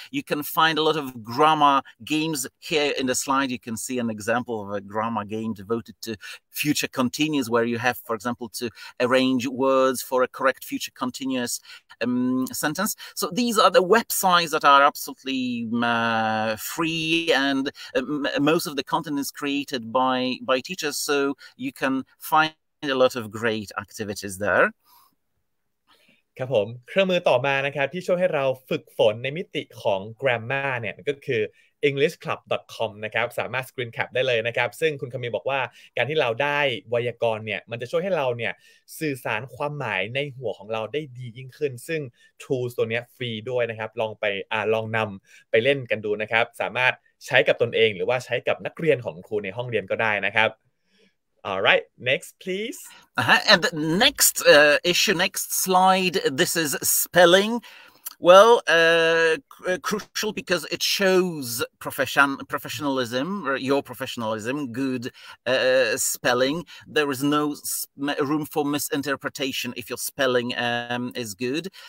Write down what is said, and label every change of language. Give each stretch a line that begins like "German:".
English: You can find a lot of grammar games here in the slide. You can see an example of a grammar game devoted to future continuous, where you have, for example, to arrange words for a correct future continuous sentence. So these are the websites that are absolutely free, and most of the content is created by teachers, so you can find a lot of great activities there.
Thai: ครับผมเครื่องมือต่อมานะครับที่ช่วยให้เราฝึกฝนในมิติของ grammar เนี่ยก็คือ EnglishClub.com นะครับสามารถ screen cap ได้เลยนะครับซึ่งคุณคามิลบอกว่าการที่เราได้ไวยากรณ์เนี่ยมันจะช่วยให้เราเนี่ยสื่อสารความหมายในหัวของเราได้ดียิ่งขึ้นซึ่ง tools ตัวนี้ฟรีด้วยนะครับลองนำไปเล่นกันดูนะครับสามารถใช้กับตนเองหรือว่าใช้กับนักเรียนของครูในห้องเรียนก็ได้นะครับ
English: All right, next please. And the next issue, next slide, this is spelling. Well, crucial because it shows professionalism, your professionalism, good spelling. There is no room for misinterpretation if your spelling is good.